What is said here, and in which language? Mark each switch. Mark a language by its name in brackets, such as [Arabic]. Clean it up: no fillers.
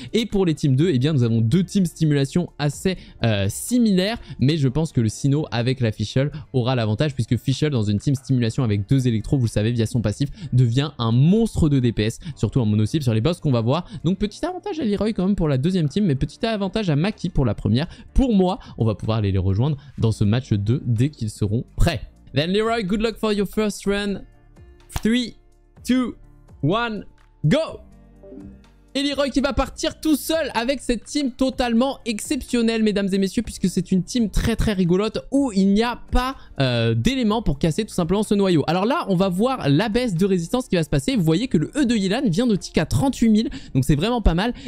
[French] Et pour les teams 2, et eh bien nous avons deux teams stimulation assez similaires, mais je pense que le Sino avec la Fischl aura l'avantage, puisque Fischl dans une team stimulation avec deux électros, vous le savez via son passif, devient un monstre de DPS, surtout en mono cible sur les boss qu'on va voir. Donc petit avantage à Leroy quand même pour la deuxième team, mais petit avantage à Maki pour la première. Pour moi, on va pouvoir aller les rejoindre dans ce match 2 dès qu'ils seront prêts. [English] Then Leroy, good luck for your first run. 3, 2, 1, go! [French] Et Leroy qui va partir tout seul avec cette team totalement exceptionnelle, mesdames et messieurs, puisque c'est une team très très rigolote où il n'y a pas d'éléments pour casser tout simplement ce noyau. Alors là, on va voir la baisse de résistance qui va se passer. Vous voyez que le E de Yelan vient de tick à 38 000, donc c'est vraiment pas mal.